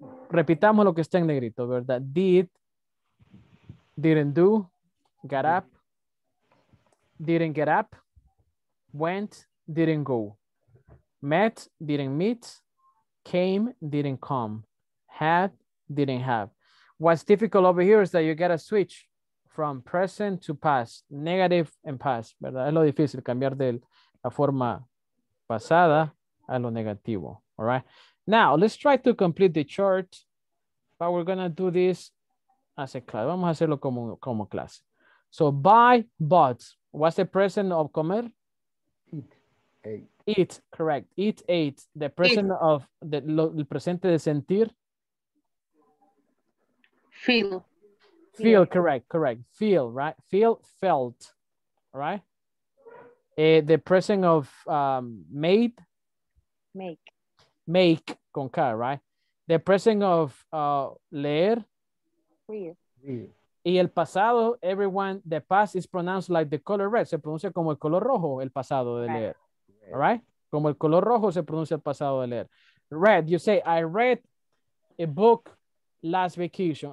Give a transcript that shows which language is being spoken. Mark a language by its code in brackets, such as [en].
[es] Repitamos lo que está en negrito, ¿verdad? [en] Did, didn't do, got up, didn't get up, went, didn't go, met, didn't meet, came, didn't come, had, didn't have. What's difficult over here is that you get a switch from present to past, negative and past, [es] ¿verdad? Es lo difícil, cambiar de la forma pasada a lo negativo, [en] all right? Now, let's try to complete the chart, but we're going to do this as a class. [es] Vamos a hacerlo como clase. [en] So, buy, bought. What's the present of comer? Eat. Eat, correct. Eat, ate. The present eat. Of, the [es] el presente de sentir? [en] Feel. Feel, yeah. correct. Feel, right? Feel, felt, right? The present of made? Make. Make, con K, right? The present of leer? Read. [es] Y el pasado, [en] everyone, the past is pronounced like the color red. [es] Se pronuncia como el color rojo, el pasado de leer. [en] Red. All right? [es] Como el color rojo se pronuncia el pasado de leer. [en] Read, you say, I read a book last vacation.